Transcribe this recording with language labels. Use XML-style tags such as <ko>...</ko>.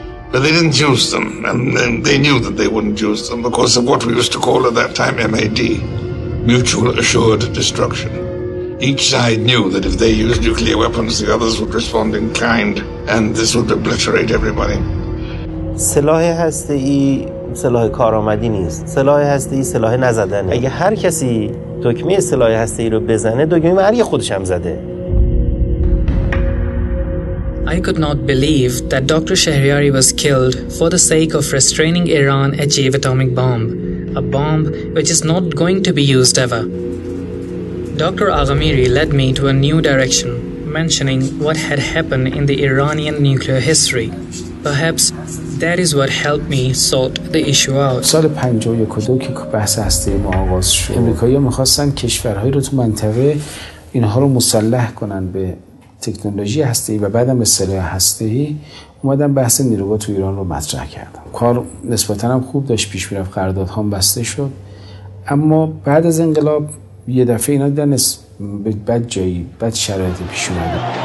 <en>But they didn't use them, and they knew that they wouldn't use them because of what we used to call at that time MAD, Mutual Assured Destruction. Each side knew that if they used nuclear weapons, the others would respond in kind, and this would obliterate everybody.</en> <fa>سلاح هسته‌ای سلاح کارآمدی نیست. سلاح هسته‌ای سلاح نزدنه. اگه هر کسی دکمه سلاح هسته‌ای رو بزنه، دکمه مرگ خودش هم زده.</fa> <en>I could not believe that Dr. Shahriari was killed for the sake of restraining Iran achieve atomic bomb, a bomb which is not going to be used ever. Dr. Aghamiri led me to a new direction, mentioning what had happened in the Iranian nuclear history. Perhaps that is what helped me sort the issue out.</en> <fa>سال 52 که بحث هسته‌ای ما آغاز شد، امریکایی‌ها می‌خواستن کشورهای رو تو منطقه اینها رو مسلح کنن به تکنولوژی هسته‌ای و بعدم به سلاح هسته‌ای، اومدن بحث نیروگاه تو ایران رو مطرح کردن. کار نسبتاً هم خوب داشت پیش می‌رفت، قراردادها هم بسته شد، اما بعد از انقلاب یه دفعه اینا دیدن بد جایی، بد شرایطی پیش اومده.</fa>